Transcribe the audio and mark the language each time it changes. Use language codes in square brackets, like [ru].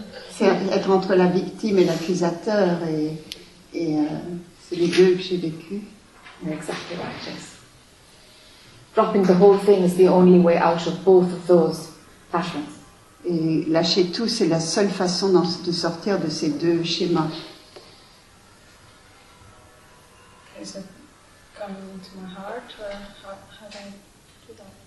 [fr] C'est être entre la victime et l'accusateur et c'est les deux que j'ai vécu. [en] Exactly right, yes. Dropping the whole thing is the only way out of both of those patterns. [fr] Et lâcher tout, c'est la seule façon de sortir de ces deux schémas. [en] Okay, so coming into my heart, how do I do that?